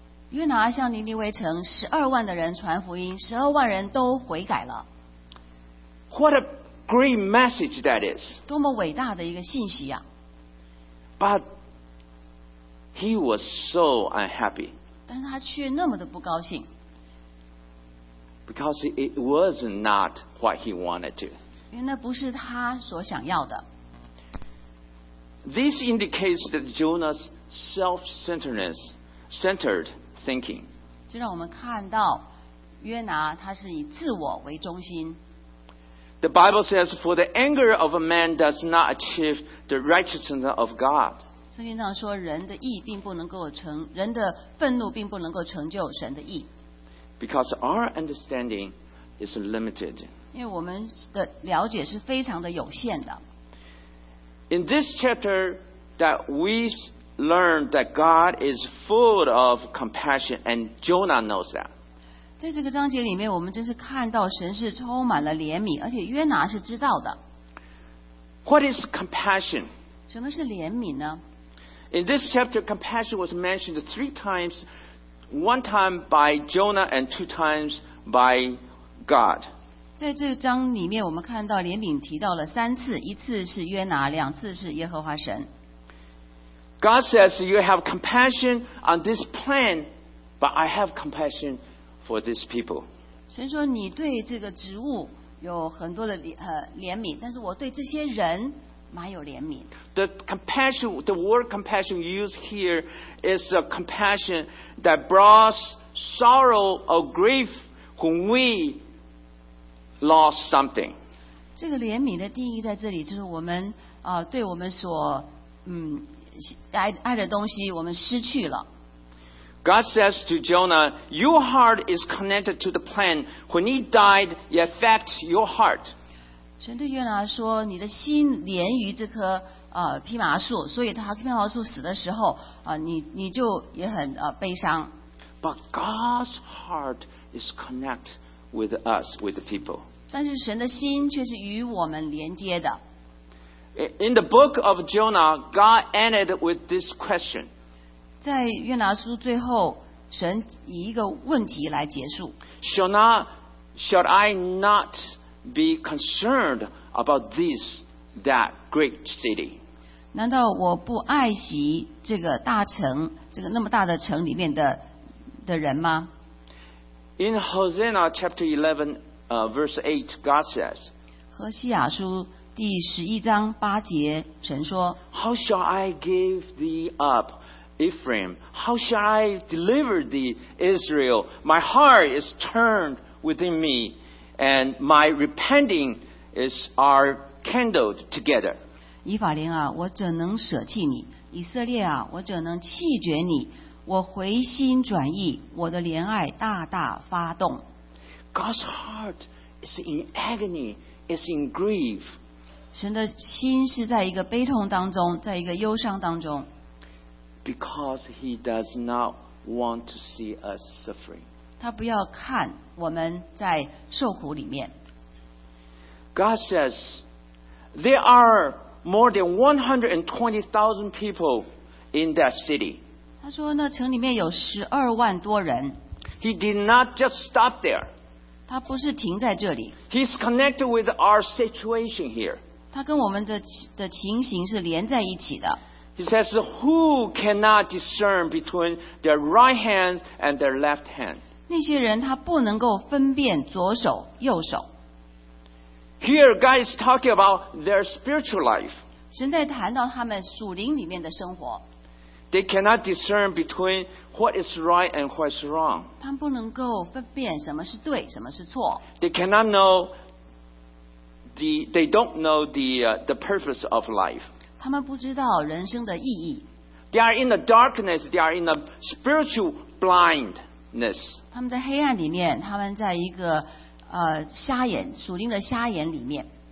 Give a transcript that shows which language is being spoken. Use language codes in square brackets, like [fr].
[zh] 约拿向尼尼微城120,000的人传福音，120,000人都悔改了。 [en] What a great message that is! [zh] 多么伟大的一个信息啊！ [en] But he was so unhappy. [zh] 但是他却那么的不高兴。 [en] Because it was not what he wanted to. [zh] 因为那不是他所想要的。 [en] This indicates that Jonah's self-centered thinking. [zh] 这让我们看到约拿他是以自我为中心。 [en] The Bible says, "For the anger of a man does not achieve the righteousness of God." [zh] 圣经上说，人的义并不能够成，人的愤怒并不能够成就神的义。 [en] Because our understanding is limited. [zh] 因为我们的了解是非常的有限的。 [en] In this chapter, that we learn that God is full of compassion, and Jonah knows that. [zh] 在这个章节里面，我们真是看到神是充满了怜悯，而且约拿是知道的。 [en] What is compassion? [zh] 什么是怜悯呢？ [en] In this chapter, compassion was mentioned 3 times, one time by Jonah and 2 times by God. [zh] 在这章里面我们看到怜悯提到了3次，一次是约拿，2次是耶和华神。 [en] God says you have compassion on this plan, but I have compassion for this people. [zh] 神说你对这个植物有很多的怜悯，但是我对这些人蛮有怜悯。 [en] The word compassion used here is a compassion that brought sorrow or grief when we lost something. [zh] 这个怜悯的定义在这里，就是我们对我们所爱的东西，我们失去了。 [en] God says to Jonah, "Your heart is connected to the plan. When he died, it affects your heart." [zh] 神对约拿说，你的心连于这棵蓖麻树，所以他蓖麻树死的时候你就也很悲伤。 [en] But God's heart is connected with us, with the people. [zh] 但是神的心却是与我们连接的。 [en] In the book of Jonah, God ended with this question. [zh] 在约拿书最后，神以一个问题来结束。 [en] Shall I not be concerned about this, that great city? [zh] 难道我不爱惜这个大城，这个那么大的城里面的人吗？ [en] In Hosanna chapter 11,verse 8, God says, [zh] 何西亚书第11:8，神说， [en] How shall I give thee up, Ephraim? How shall I deliver thee, Israel? My heart is turned within me, and my repenting are kindled together. [zh] 以法莲啊，我怎能舍弃你？以色列啊，我怎能弃绝你？我回心转意，我的怜爱大大发动。 [en] God's heart is in agony, is in grief. [zh] 神的心是在一个悲痛当中，在一个忧伤当中。 [en] Because he does not want to see us suffering. [zh] 他不要看我们在受苦里面。 [en] God says, there are more than 120,000 people in that city. [zh] 他说那城里面有120,000多人。 [en] He did not just stop there. [zh] 他不是停在这里。 [en] He's connected with our situation here. [zh] 他跟我们的情形是连在一起的。 [en] He says, "Who cannot discern between their right hand and their left hand?" [zh] 那些人他不能够分辨左手右手。 [en] Here, God is talking about their spiritual life. [zh] 神在谈到他们属灵里面的生活。 [en] They cannot discern between what is right and what is wrong. [zh] 他们不能够分辨什么是对，什么是错。 [en] They cannot know they don't know the purpose of life. [zh] 他们不知道人生的意义。 [en] They are in the darkness. They are in the spiritual blindness. [zh] 他们在黑暗里面，他们在一个瞎眼，属灵的瞎眼里面。